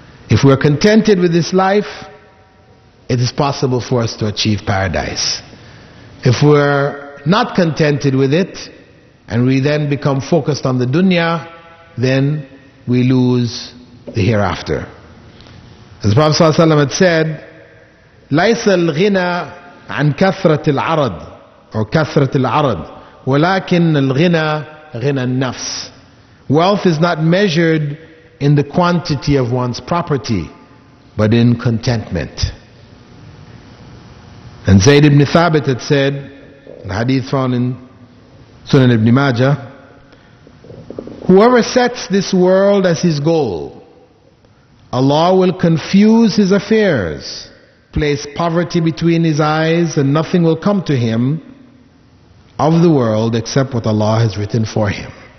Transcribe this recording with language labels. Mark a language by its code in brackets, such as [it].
[en] If we are contented with this life, it is possible for us to achieve paradise. If we are not contented with it, and we then become focused on the dunya, then we lose the hereafter. As the Prophet ﷺ had said, [ar] لَيْسَ الْغِنَى عَنْ كَثْرَةِ الْعَرَضِ or كَثْرَةِ الْعَرَضِ وَلَكِنَّ الْغِنَى غِنَى النَّفْسِ. [en] Wealth is not measured in the quantity of one's property, but in contentment. And Zayd ibn Thabit had said, in the hadith found in Sunan ibn Majah, whoever sets this world as his goal, Allah will confuse his affairs, place poverty between his eyes, and nothing will come to him of the world except what Allah has written for him.